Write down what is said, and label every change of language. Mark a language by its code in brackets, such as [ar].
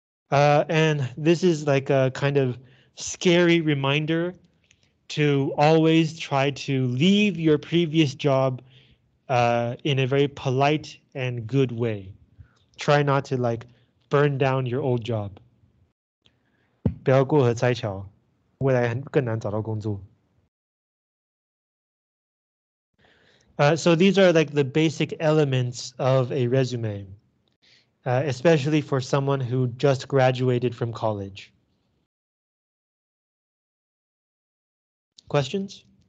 [en] And this is like a kind of scary reminder to always try to leave your previous job in a very polite and good way. Try not to like burn down your old job. [zh] 不要过河拆桥, 未来更难找到工作. [en] So these are like the basic elements of a resume. Especially for someone who just graduated from college. Questions?